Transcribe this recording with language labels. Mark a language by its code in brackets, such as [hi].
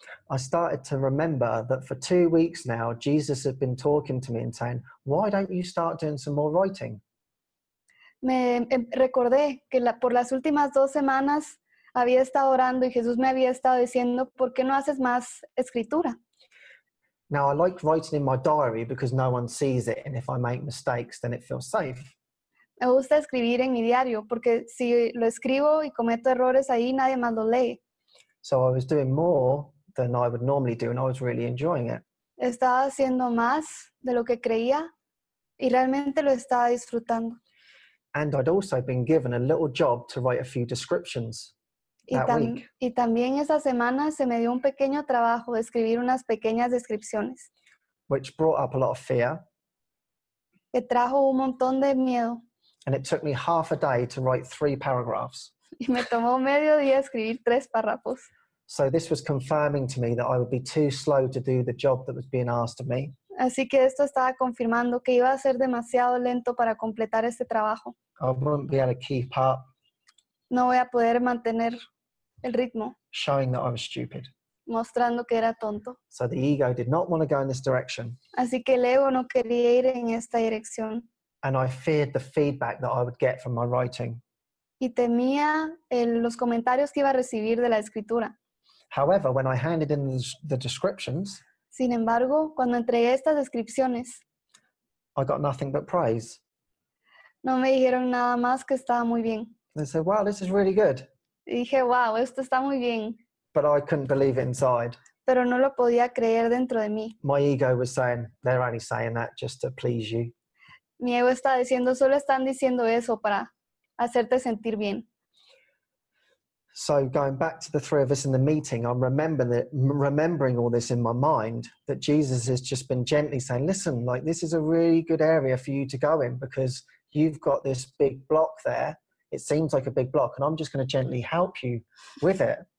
[en] I started to remember that for 2 weeks now, Jesus had been talking to me and saying, why don't you start doing some more writing? [es] me recordé que por las últimas dos semanas había estado orando y Jesús me había estado diciendo, ¿por qué no haces más escritura? [en] Now, I like writing in my diary because no one sees it, and if I make mistakes, then it feels safe. [es] Me gusta escribir en mi diario porque si lo escribo y cometo errores ahí, nadie más lo lee. [en] So I was doing more than I would normally do, and I was really enjoying it. [es] Estaba haciendo más de lo que creía y realmente lo estaba disfrutando. [en] And I'd also been given a little job to write a few descriptions that week. [es] Y también esa semana se me dio un pequeño trabajo de escribir unas pequeñas descripciones. [en] Which brought up a lot of fear. [es] Que trajo un montón de miedo. [en] And it took me half a day to write 3 paragraphs. [es] Y me tomó medio día escribir 3 párrafos. [en] So this was confirming to me that I would be too slow to do the job that was being asked of me. [es] Así que esto estaba confirmando que iba a ser demasiado lento para completar este trabajo. [en] I wouldn't be able to keep up. [es] No voy a poder mantener el ritmo. [en] Showing that I was stupid. [es] Mostrando que era tonto. [en] So the ego did not want to go in this direction. [es] Así que el ego no quería ir en esta dirección. [en] And I feared the feedback that I would get from my writing. [es] Y temía los comentarios que iba a recibir de la escritura. [en] However, when I handed in the descriptions, [es] sin embargo, cuando entregué estas descripciones, [en] I got nothing but praise. [es] No me dijeron nada más que estaba muy bien. [en] They said, wow, this is really good. [es] Y dije, wow, esto está muy bien. [en] But I couldn't believe it inside. [es] Pero no lo podía creer dentro de mí. [en] My ego was saying, they're only saying that just to please you. [es] Mi ego está diciendo, solo están diciendo eso para hacerte sentir bien. [en] So going back to the three of us in the meeting, I'm remembering all this in my mind, that Jesus has just been gently saying, listen, like this is a really good area for you to go in because you've got this big block there. It seems like a big block, and I'm just going to gently help you with it.